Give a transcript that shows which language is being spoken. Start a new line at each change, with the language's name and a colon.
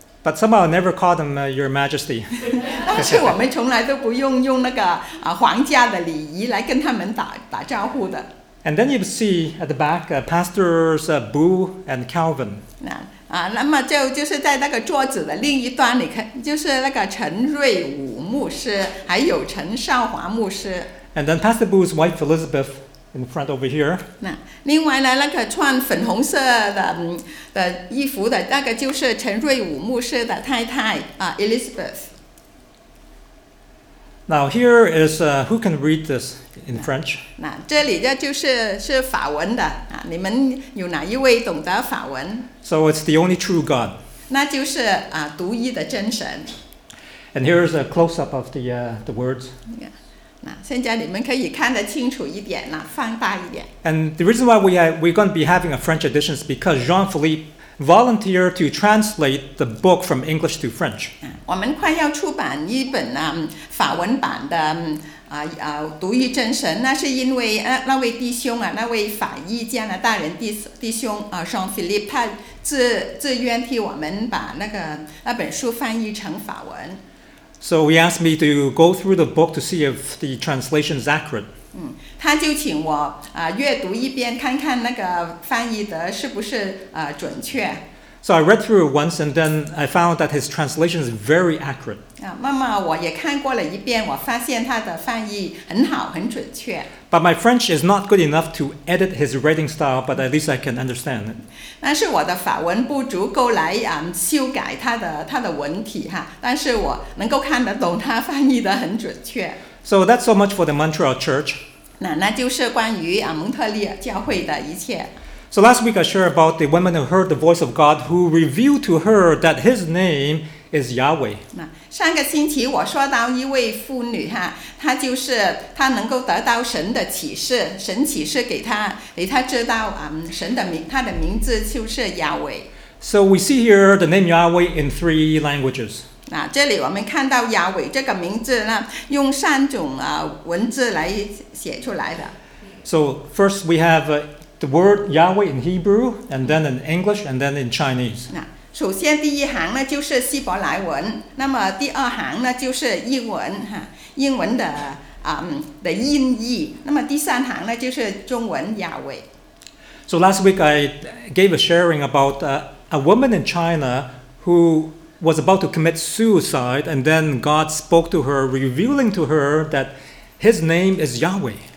English: But somehow I never called him Your Majesty.
Chinese: 但是我们从来都不用那个皇家的礼仪来跟他们打招呼的。
English: And then you see at the back Pastors Boo and Calvin.
Chinese: 那么就是在那个桌子的另一端，你看就是那个陈瑞武牧师，还有陈少华牧师。
English: And then Pastor Boo's wife Elizabeth in front over here.
Chinese: 另外呢，那个穿粉红色的衣服的那个就是陈瑞武牧师的太太Elizabeth.
English: Now here is who can read this in French?
Chinese: 这里就是法文的你们有哪一位懂得法文？
English: So it's the only true God.
Chinese: 那就是独一的真神。
English: And here is a close-up of the words. Yeah.
Chinese: 现在你们可以看得清楚一点了，放大一点。
English: And the reason why we're going to be having a French edition is because Jean-Philippe volunteered to translate the book from English to French.
Chinese: 我们快要出版一本法文版的独一真神，那是因为那位弟兄那位法裔加拿大人弟兄Jean-Philippe 他自愿替我们把那本书翻译成法文。
English: So he asked me to go through the book to see if the translation is accurate.
Chinese: 他就请我阅读一遍，看看那个翻译的是不是准确。
English: So I read through it once, and then I found that his translation is very accurate.
Chinese: 妈妈，我也看过了一遍，我发现他的翻译很好，很准确。
English: But my French is not good enough to edit his writing style, but at least I can understand it.
Chinese: 但是我的法文不足够来修改他的文体哈，但是我能够看得懂他翻译的很准确。
English: So that's so much for the Montreal Church.
Chinese: 那就是关于蒙特利教会的一切。
English: So last week I shared about the woman who heard the voice of God who revealed to her that his name is Yahweh.
Chinese: 上个星期我说到一位妇女，她就是她能够得到神的启示，神启示给她，给她知道神的名，她的名字就是 Yahweh.
English: So we see here the name Yahweh in three languages.
Chinese: 这里我们看到 Yahweh 这个名字呢，用三种文字来写出来的。
English: So first we have the word Yahweh in Hebrew, and then in English, and then in Chinese.
Chinese: 首先第一行呢就是希伯来文，那么第二行呢就是英文，英文的的音译，那么第三行呢就是中文 Yahweh.
English: So last week I gave a sharing about a woman in China who was about to commit suicide, and then God spoke to her, revealing to her that his name is Yahweh.